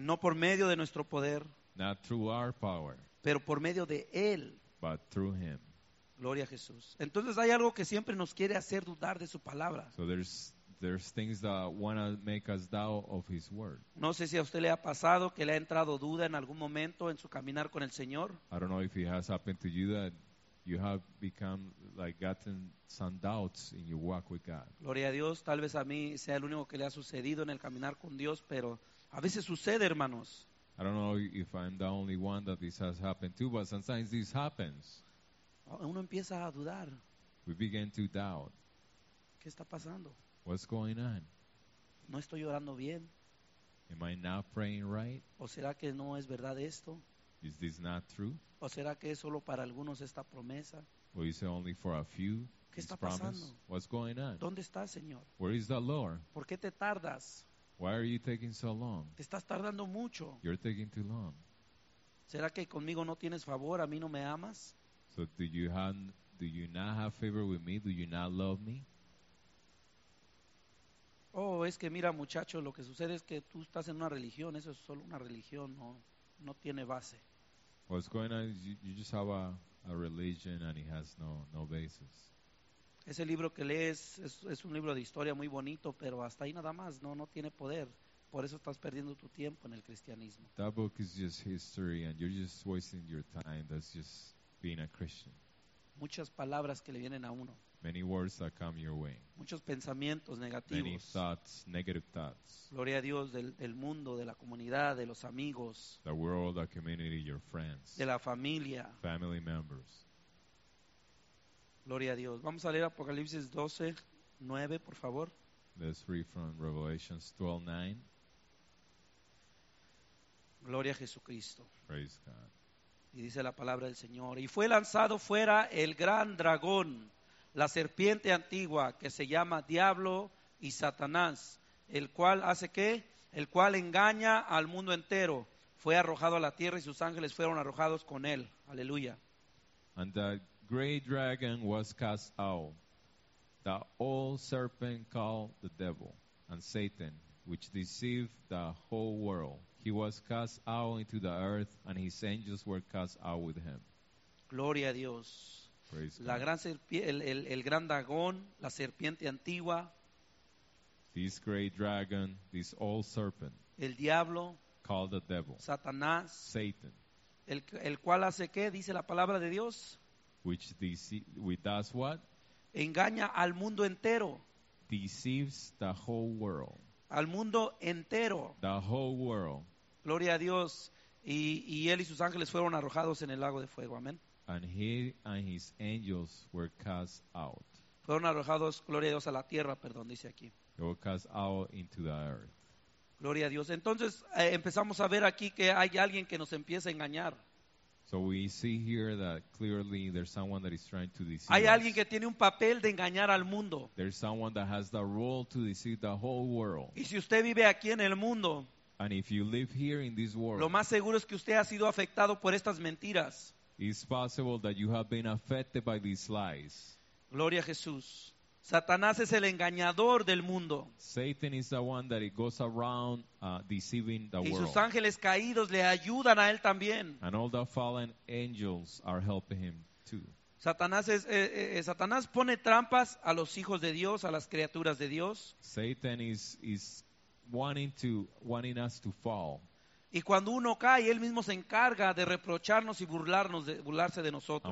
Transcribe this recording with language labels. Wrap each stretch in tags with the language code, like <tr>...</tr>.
<es>No por medio de nuestro poder.</es> <en>Not through our power.</en> <es>Pero por medio de Él.</es> <en>But through Him.</en> <es>Gloria a Jesús. Entonces hay algo que siempre nos quiere hacer dudar de su palabra.</es> <en>So there's things that want to make us doubt of His word.</en> <es>No sé si a usted le ha pasado que le ha entrado duda en algún momento en su caminar con el Señor.</es> <en>I don't know if it has happened to you that you have become like gotten some doubts in your walk with God.</en> <es>Gloria a Dios, tal vez a mí sea el único que le ha sucedido en el caminar con Dios, pero a veces sucede, hermanos.</es> <en>I don't know if I'm the only one that this has happened to, but sometimes this happens.</en> <es>Uno empieza a dudar.</es> <en>We begin to doubt.</en> <es>¿Qué está pasando?</es> <en>What's going on?</en> <es>No estoy orando bien.</es> <en>Am I not praying right?</en> <es>¿O será que no es verdad esto?</es> <en>Is this not true?</en> <es>¿O será que es solo para algunos esta promesa?</es> <en>Or is it only for a few?</en> <es>¿Qué está pasando?</es> <en>Promise? What's going on?</en> <es>¿Dónde está, Señor?</es> <en>Where is the Lord?</en> <es>¿Por qué te tardas?</es> <en>Why are you taking so long?</en> <es>Te estás tardando mucho.</es> <en>You're taking too long.</en> <es>¿Será que conmigo no tienes favor? ¿A mí no me amas?</es> <en>So do you not have favor with me? Do you not love me?</en> <es>Oh, es que mira, muchacho, lo que sucede es que tú estás en una religión. Eso es solo una religión. No tiene base.</es> <en>What's going on is you just have a religion and it has no basis.</en> <es>Ese libro que lees es un libro de historia muy bonito, pero hasta ahí nada más, no tiene poder. Por eso estás perdiendo tu tiempo en el cristianismo.</es> <en>That book is just history and you're just wasting your time. That's just being a Christian.</en> <es>Muchas palabras que le vienen a uno.</es> <en>Many words that come your way.</en> <es>Muchos pensamientos negativos.</es> <en>Many thoughts, negative thoughts.</en> <es>Gloria a Dios del mundo, de la comunidad, de los amigos.</es> <en>The world, the community, your friends.</en> <es>De la familia.</es> <en>Family members.</en> <es>Gloria a Dios. Vamos a leer Apocalipsis 12, 9, por favor.</es> <en>Let's read from Revelation 12, 9.</en> <es>Gloria a Jesucristo.</es> <en>Praise God.</en> <es>Y dice la palabra del Señor. Y fue lanzado fuera el gran dragón, la serpiente antigua, que se llama Diablo y Satanás, el cual hace qué? El cual engaña al mundo entero. Fue arrojado a la tierra y sus ángeles fueron arrojados con él. Aleluya.</es> <en>And the great dragon was cast out, the old serpent called the devil and Satan, which deceived the whole world. He was cast out into the earth and his angels were cast out with him.</en> <es>Gloria a Dios.</es> <en>Praise</en> <es>la</es> <en>God.</en> <es>Gran el gran dragón, la serpiente antigua.</es> <en>This great dragon, this old serpent.</en> <es>El diablo.</es> <en>Called the devil.</en> <es>Satanás.</es> <en>Satan.</en> <es>El cual hace qué, dice la palabra de Dios.</es> <en>Which does what?</en> <es>Engaña al mundo entero.</es> <en>Deceives the whole world.</en> <es>Al mundo entero.</es> <en>The whole world.</en> <es>Gloria a Dios. Y él y sus ángeles fueron arrojados en el lago de fuego. Amén.</es> <en>And he and his angels were cast out.</en> <es>Fueron arrojados, gloria a Dios, a la tierra, perdón, dice aquí.</es> <en>They were cast out into the earth.</en> <es>Gloria a Dios. Entonces empezamos a ver aquí que hay alguien que nos empieza a engañar.</es> <en>So we see here that clearly there's someone that is trying to deceive.</en> <es>Hay alguien que tiene un papel de engañar al mundo.</es> <en>There's someone that has the role to deceive the whole world.</en> <es>Y si usted vive aquí en el mundo,</es> <en>and if you live here in this world,</en> <es>lo más seguro es que usted ha sido afectado por estas mentiras.</es> <en>It's possible that you have been affected by these lies.</en> <es>Gloria a Jesús. Satanás es el engañador del mundo.</es> <en>Satan is the one that goes around deceiving the world.</en> <es>Y sus ángeles caídos le ayudan a él también.</es> <en>And all the fallen angels are helping him too.</en> <es>Satanás pone trampas a los hijos de Dios, a las criaturas de Dios.</es> <en>Satan is wanting us to fall.</en> <es>Y cuando uno cae, él mismo se encarga de reprocharnos y burlarse de nosotros.</es>